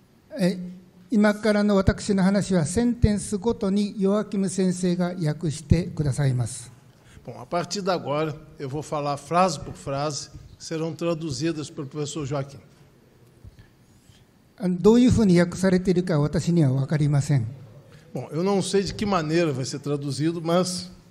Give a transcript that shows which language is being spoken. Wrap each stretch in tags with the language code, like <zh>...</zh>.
<pt>Bom, a partir de agora, eu vou falar frase por frase, serão traduzidas pelo professor Joaquim.</pt> <ja>どういうふうに訳されているか私には分かりません.</ja> <pt>Bom, eu não sei de que maneira vai ser traduzido, mas...</pt>